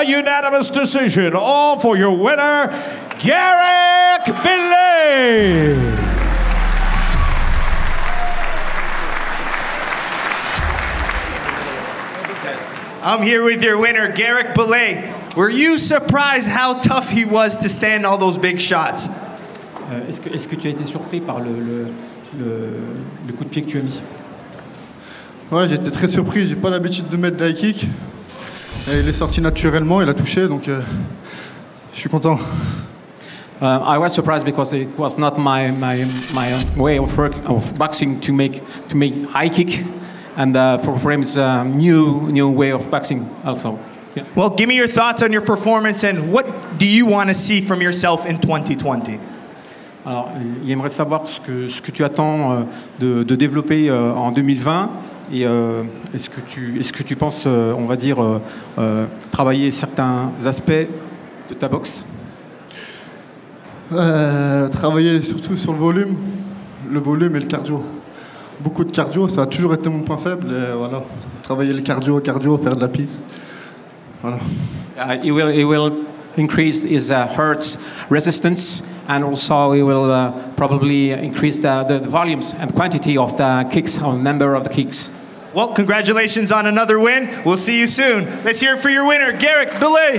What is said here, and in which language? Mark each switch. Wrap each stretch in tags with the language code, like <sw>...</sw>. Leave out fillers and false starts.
<en>A unanimous decision, all for your winner, Guerric Billet. I'm here with your winner, Guerric Billet. Were you surprised how tough he was to stand all those big shots?</en> <fr>Est-ce que tu as été surpris par le coup de pied que tu as mis? Ouais, j'étais très surpris. J'ai pas l'habitude de mettre d'high kick. Et il est sorti naturellement, il a touché, donc je suis content.</fr> <en>I was surprised because it was not my way of work of boxing to make high kick. And for him, it's a new way of boxing also. Yeah. Well, give me your thoughts on your performance and what do you want to see from yourself in 2020?</en> <fr>Alors, il aimerait savoir ce que tu attends de développer en 2020 et est-ce que tu penses, on va dire, travailler certains aspects de ta boxe? Travailler surtout sur le volume et le cardio. Beaucoup de cardio, ça a toujours été mon point faible. Et voilà, travailler le cardio, faire de la piste. Voilà.</fr> <en>He will increase his heart resistance, and also he will probably increase the volumes and quantity of the kicks, or number of the kicks. Well, congratulations on another win. We'll see you soon. Let's hear it for your winner, Guerric Billet.</en>